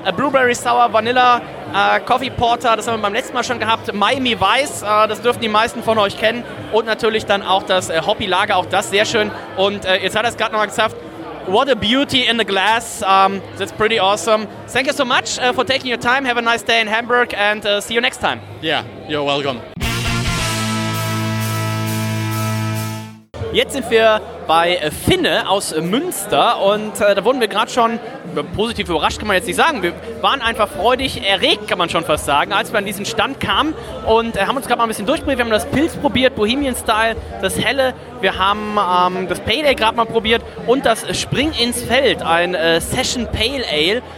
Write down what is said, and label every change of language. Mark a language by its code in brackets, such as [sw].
[de] Blueberry Sour, Vanilla, Coffee Porter, das haben wir beim letzten Mal schon gehabt. Miami Weiss, das dürften die meisten von euch kennen. Und natürlich dann auch das Hoppy Lager, auch das sehr schön. Und jetzt hat er es gerade nochmal gesagt. [en] What a beauty in the glass. That's pretty awesome. Thank you so much for taking your time. Have a nice day in Hamburg and see you next time. Yeah, you're welcome. [de] Jetzt sind wir bei Finne aus Münster und da wurden wir gerade schon positiv überrascht, kann man jetzt nicht sagen. Wir waren einfach freudig erregt, kann man schon fast sagen, als wir an diesen Stand kamen und haben uns gerade mal ein bisschen durchprobiert. Wir haben das Pilz probiert, Bohemian Style, das Helle. Wir haben das Pale Ale gerade mal probiert und das Spring ins Feld, ein Session Pale Ale.